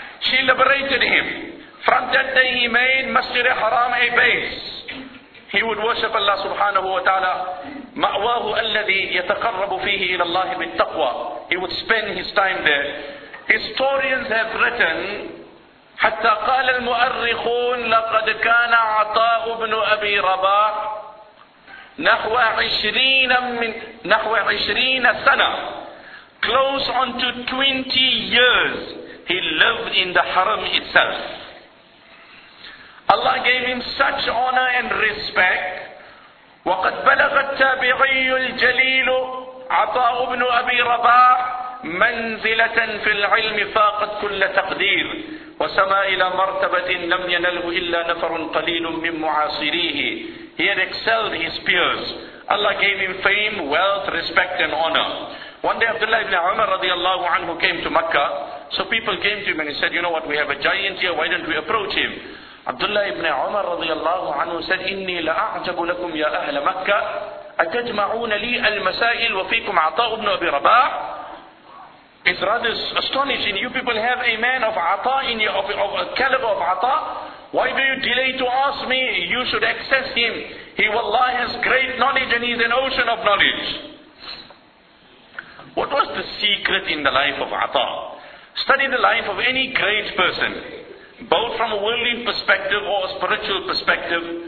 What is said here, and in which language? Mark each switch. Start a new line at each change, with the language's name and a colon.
English: She liberated him. From that day he made Masjid al-Haram a base. He would worship Allah subhanahu wa ta'ala.
Arabic: مَأْوَاهُ الَّذِي يَتَقَرَّبُ فِيهِ إِلَى اللَّهِ بِالتَّقْوَى.
English: He would spend his time there. Historians have written,
Arabic: حَتَّى قَالَ الْمُؤَرِّخُونَ لَقَدْ كَانَ عَطَاءُ ابن أبي رباح نحو 20 من نحو 20 سنة,
English: close on to 20 years he lived in the haram itself. Allah gave him such honor and respect.
Arabic: وقد بلغ التابعي الجليل عطاء ابن أبي رباح منزلة في العلم فاقت كل تقدير وسما إلى مرتبة لم ينله إلا نفر قليل من معاصريه.
English: He had excelled his peers. Allah gave him fame, wealth, respect and honor. One day Abdullah ibn Umar radiallahu anhu came to Mecca. So people came to him and he said, you know what, we have a giant here, why don't we approach him? Abdullah ibn Umar radiallahu anhu said,
Arabic: إني لأعجب لكم يا أهل مكة أتجمعون لي المسائل وفيكم عطاء ابن أبي رباح.
English: It's rather astonishing. You people have a man of ata, in your, of a caliber of ata. Why do you delay to ask me? You should access him. He wallahi has great knowledge and he's an ocean of knowledge. What was the secret in the life of ata? Study the life of any great person, both from a worldly perspective or a spiritual perspective.